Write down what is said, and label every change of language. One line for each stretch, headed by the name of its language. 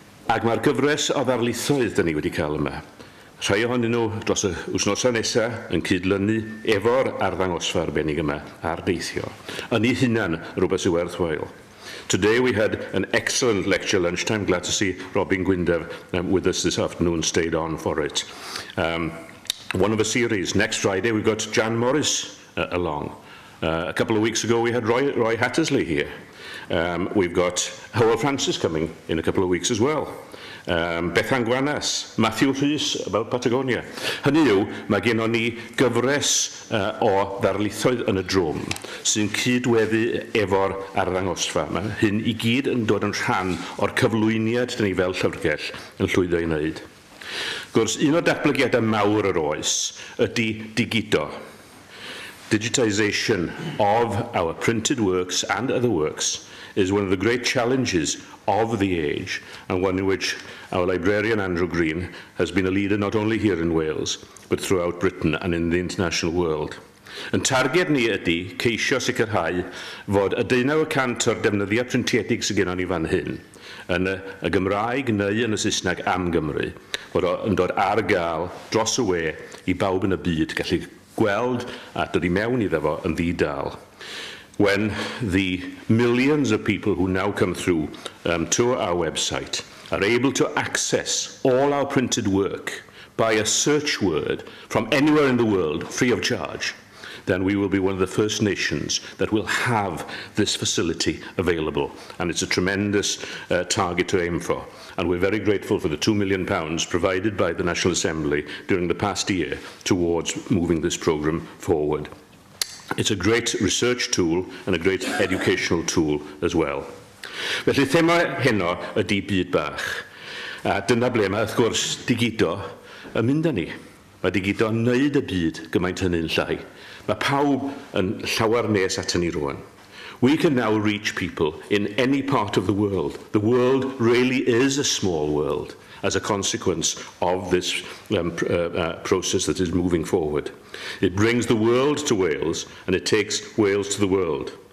Welsh: Ac mae'r gyfres o ddarlithoedd dyn ni wedi cael yma. Rhai ohonyn nhw dros y wsnosau nesaf yn cydlynu efo'r arddangosfa arbennig yma a'r deithio. Yn ei hunan rhywbeth sy'n werthfael.
English: Today we had an excellent lecture lunchtime. Glad to see Robin Gwyndaf with us this afternoon stayed on for it. One of a series. Next Friday we've got Jan Morris along. A couple of weeks ago we had Roy Hattersley here. We've got Howell Francis coming in a couple of weeks as well. Bethan Gwanas, Matthew Rhys about Patagonia.
Welsh: Hynny yw, mae gennym ni gyfres o ddarlithoedd yn y drwm sy'n cydweddu efo'r arddangosfa. Mae hyn i gyd yn dod yn rhan o'r cyflwyniad dyn ni fel Llyfrgell yn llwyddo i wneud. Gwrs, un o datblygiadau mawr yr oes ydy digido.
English: Digitization of our printed works and other works is one of the great challenges of the age and one in which our librarian Andrew Green has been a leader not only here in Wales but throughout Britain and in the international world.
Welsh: Yn targed ni ydy ceisio sicrhau fod y 90% o'r defnyddiau printiedig sydd gennym ni fan hyn yn y Gymraeg neu yn y Saesneg am Gymru fod yn dod ar gael dros y we i bawb yn y byd gallu gweld a dod i mewn iddo fo yn ddi-dal.
English: When the millions of people who now come through to our website are able to access all our printed work by a search word from anywhere in the world free of charge, then we will be one of the first nations that will have this facility available. And it's a tremendous target to aim for. And we're very grateful for the £2 million provided by the National Assembly during the past year towards moving this programme forward. It's a great research tool and a great educational tool as well.
Welsh: Felly, thema heno ydy byd bach. A dyna ble mae, wrth gwrs, digido yn mynd â ni. Mae digido yn neud y byd gymaint hynny'n llai. Mae pawb yn llawer nes at hynny rŵan.
English: We can now reach people in any part of the world. The world really is a small world as a consequence of this process that is moving forward. It brings the world to Wales and it takes Wales to the world.